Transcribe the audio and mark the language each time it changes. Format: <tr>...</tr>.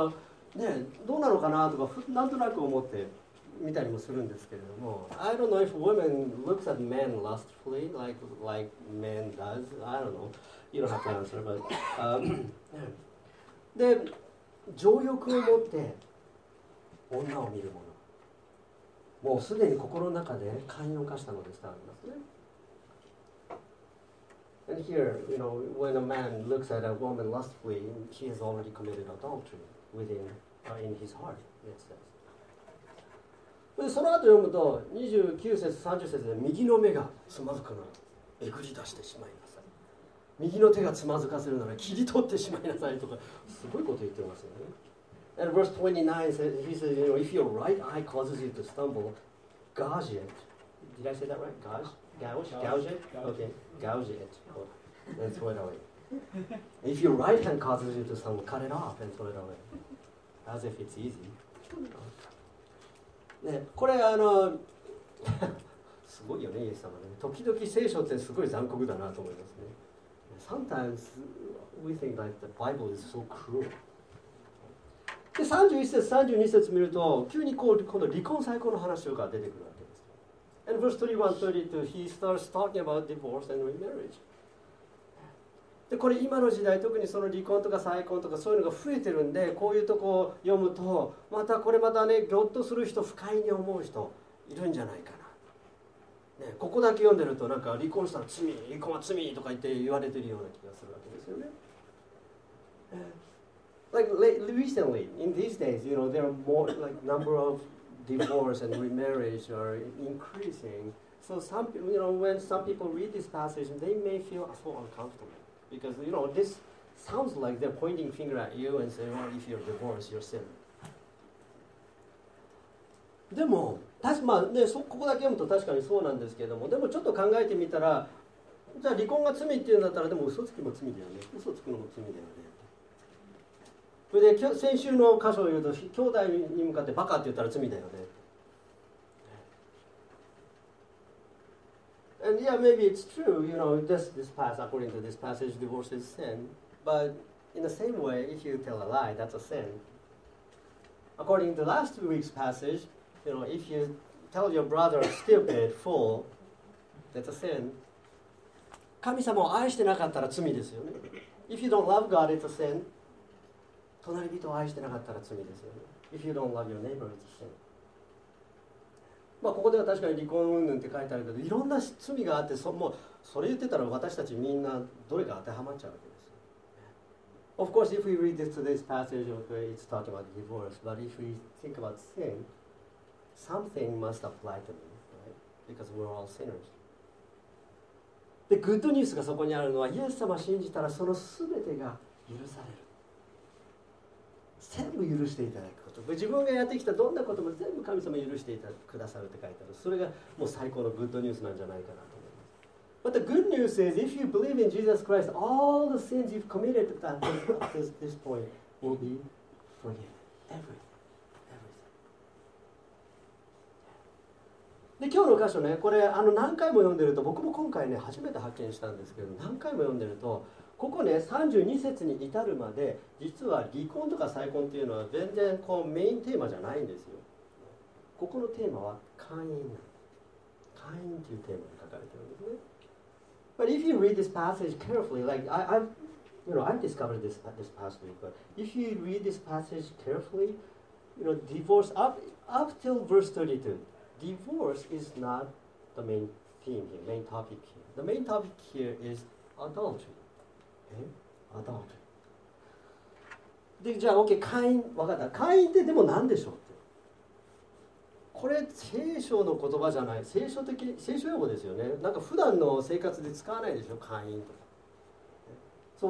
<ja>、ね、どうなのかなとか、なんとなく思って見たりもするんですけれども。</ja> <en>I don't know if women looks at men lustfully like men does. I don't know. You don't have to answer, but.</en> <ja>で、情欲を持って女を見るもの。もうすでに心の中で姦淫を犯したのでしたありますね。</ja> <en>And here, you know, when a man looks at a woman lustfully, he has already committed adultery within, in his heart, it says.</en> <ja>で、その後読むと、29節、30節で、右の目がつまずくなら、えぐり出してしまいなさい。右の手がつまずかせるなら、切り取ってしまいなさいとか、すごいこと言ってますよね。</ja> <en>And verse 29 says, he says, you know, if your right eye causes you to stumble, gouge it. Did I say that right? Gouge it. Okay. Gouge it. And throw it away. If your right hand causes you to stumble, cut it off and throw it away. As if it's easy.</en> <ja>ね、これすごいよね、イエス様ね。時々聖書ってすごい残酷だなと思いますね。</ja> <en>Sometimes we think that the Bible is so cruel。</en> <ja>で、31節、32節見ると急にこう、この離婚再婚の話が出てくるわけです。</ja> <en>And verse 31, 32, he starts talking about divorce and remarriage。</en> <ja>でこれ今の時代特にその離婚とか再婚とかそういうのが増えてるんで、こういうとこを読むとまたこれまたね、ギョッとする人、不快に思う人いるんじゃないかな、ね、ここだけ読んでるとなんか離婚したら罪、離婚は罪とか言って言われてるような気がするわけですよね。</ja> <en>Like recently in these days, you know, there are more like number of divorce and remarriage are increasing. So some people, you know, when some people read this passage, they may feel so uncomfortable. Because you know, this sounds like they're pointing finger at you and saying, "Well, if you're divorced, you're sin."</en> <ja>でも、まあね、ここだけ読むと確かにそうなんですけれども、でもちょっと考えてみたら、じゃあ離婚が罪っていうんだったら、でも嘘つきも罪だよね。嘘つくのも罪だよね。それで先週の箇所を言うと、兄弟に向かってバカって言ったら罪だよね。</ja> <en>And yeah, maybe it's true, you know, this passage, according to this passage, divorce is sin. But in the same way, if you tell a lie, that's a sin. According to last week's passage, you know, if you tell your brother stupid, fool, that's a sin.</en> <ja>神様を愛してなかったら罪ですよね。</ja> <en>If you don't love God, it's a sin.</en> <ja>隣人を愛してなかったら罪ですよね。</ja> <en>If you don't love your neighbor, it's a sin.</en> <ja>まあ、ここでは確かに離婚云々って書いてあるけど、いろんな罪があって、もうそれ言ってたら私たちみんなどれか当てはまっちゃうわけです。</ja> <en>Of course, if we read this today's passage, it's talking about divorce. But if we think about sin, something must apply to me, right? Because we're all sinners.</en> <ja>で、グッドニュースがそこにあるのは、イエス様を信じたらその全てが許される。全部許していただく。自分がやってきたどんなことも全部神様許してくださるって書いてある。それがもう最高のグッドニュースなんじゃないかなと思います。</ja> <en>But the good news is, if you believe in Jesus Christ, all the sins you've committed at this point will be forgiven. Everything.</en> <ja>で、今日の箇所ね、これ何回も読んでると、僕も今回ね初めて発見したんですけど、何回も読んでると、ここね、32節に至るまで、実は離婚とか再婚っていうのは全然こうメインテーマじゃないんですよ。ここのテーマは姻縁なんです。姻縁っていうテーマに書かれてるんですね。</ja> <en>But if you read this passage carefully, like I've discovered this past week, but if you read this passage carefully, you know, divorce up till verse 32, divorce is not the main theme here, main topic here. The main topic here is adultery.</en> <ja>アダルティ。じゃあ OK、 会員分かった、会員ってでも何でしょうって、これ聖書の言葉じゃない、聖書用語ですよね。なんか普段の生活で使わないでしょ、会員とか。</ja>